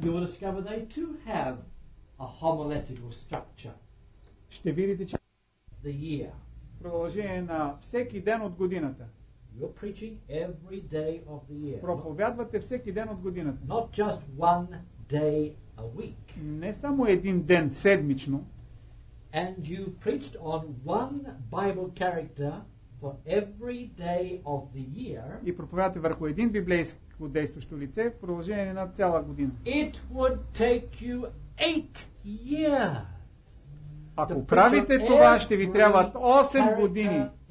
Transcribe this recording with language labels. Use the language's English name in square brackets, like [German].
[English] you will discover they too have a homiletical structure. [Bulgarian] Ще видите, че [English] the year. [Bulgarian] Продължение на всеки ден от годината. [English] You're preaching every day of the year. [Bulgarian] Проповядвате всеки ден от годината. [English] Not just one day a week. [Bulgarian] Не само един ден седмично. [English] And you preached on one Bible character for every day of the year. [Bulgarian] И проповядвате върху един библейско действащо лице в продължение на цяла година. [English] It would take you 8 years. [Bulgarian] Ако правите това, ще ви трябват 8 години.